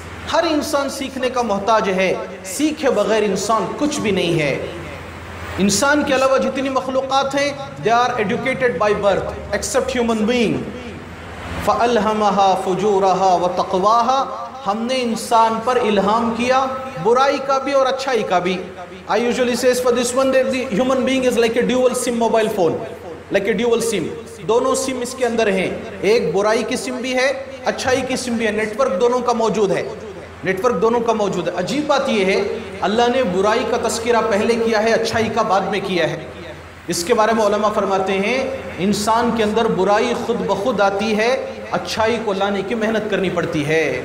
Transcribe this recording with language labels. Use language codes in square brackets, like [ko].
[hi] हर इंसान सीखने का मोहताज है, सीखे बगैर इंसान कुछ भी नहीं है. इंसान के अलावा जितनी मखलूकात हैं, [en] They are educated by birth except human being. [ar] فَأَلْهَمَهَا فُجُورَهَا وَتَقْوَاهَا, [hi] हमने इंसान पर इल्हाम किया बुराई का भी और अच्छाई का भी. [en] I usually says for this one that the human being is like a dual sim mobile phone, like a dual sim. [hi] दोनों सिम इसके अंदर हैं, एक बुराई की सिम भी है, अच्छाई की सिम भी है. नेटवर्क दोनों का मौजूद है, नेटवर्क दोनों का मौजूद है. अजीब बात यह है, अल्लाह ने बुराई का तस्किरा पहले किया है, अच्छाई का बाद में किया है. इसके बारे में उलमा फरमाते हैं, इंसान के अंदर बुराई खुद ब खुद आती है, अच्छाई को लाने की मेहनत करनी पड़ती है.